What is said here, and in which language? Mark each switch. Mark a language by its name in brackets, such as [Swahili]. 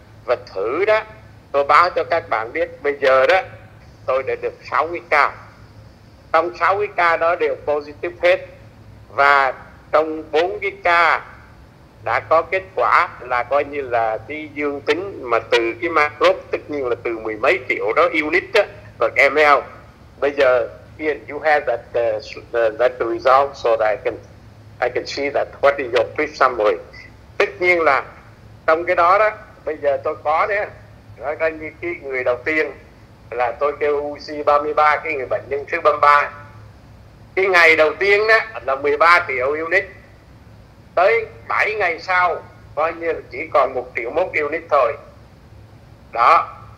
[Vietnamese] Và thử đó, tôi báo cho các bạn biết, bây giờ đó, tôi đã được 60 ca. Trong 60 ca đó đều positive hết, và trong 40 ca đã có kết quả là coi như là đi dương tính, mà từ cái macro, tất nhiên là từ mười mấy triệu đó, unit đó, và ML. Bây giờ, [English] Ian, you have that result so that I can see that what is your brief summary. [Vietnamese] Tất nhiên là trong cái đó đó, bây giờ tôi có đấy. Nói ra như cái người đầu tiên là tôi kêu UC 33, cái người bệnh nhân thứ 33. Cái ngày đầu tiên đó là 13 triệu unit. Tới 7 ngày sau, coi như chỉ còn 1 triệu 1 unit thôi. Đó.